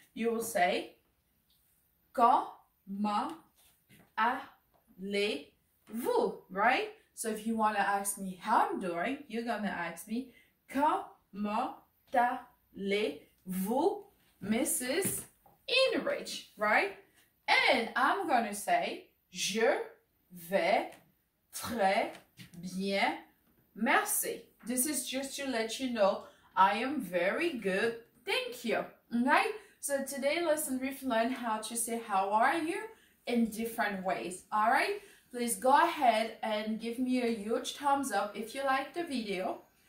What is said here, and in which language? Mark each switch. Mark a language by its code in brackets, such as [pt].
[en] You will say, [fr] comment allez-vous, [en] right? So if you want to ask me how I'm doing, you're going to ask me, [fr] comment allez-vous, [en] Mrs. Enrich, right? And I'm going to say, [fr] je vais très bien, merci. [en] This is just to let you know, I am very good, thank you. Okay? So today lesson, we've learned how to say how are you in different ways. All right? Please go ahead and give me a huge thumbs up if you like the video.